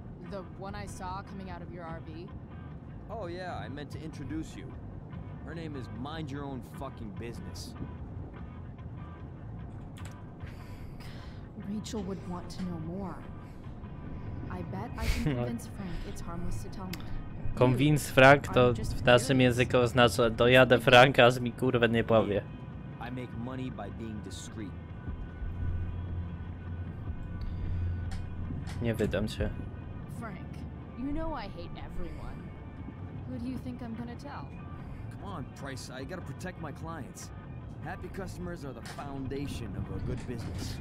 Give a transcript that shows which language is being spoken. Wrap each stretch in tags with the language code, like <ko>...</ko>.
<en>The one I saw coming out of your RV? Oh yeah, I meant to introduce you. Her name is Mind Your Own Fucking Business. Rachel would want to know more. I bet I can convince Frank it's harmless to tell me. Convince Frank</en> <pl>to w naszym języku oznacza dojadę Franka, aż mi kurwa nie powie.</pl> <en>I make money by being discreet.</en> <pl>nie wydam cię.</pl> <en>Frank, you know I hate everyone. Who do you think I'm gonna tell? Come on, Price, I gotta protect my clients. Happy customers are the foundation of a good business.</en>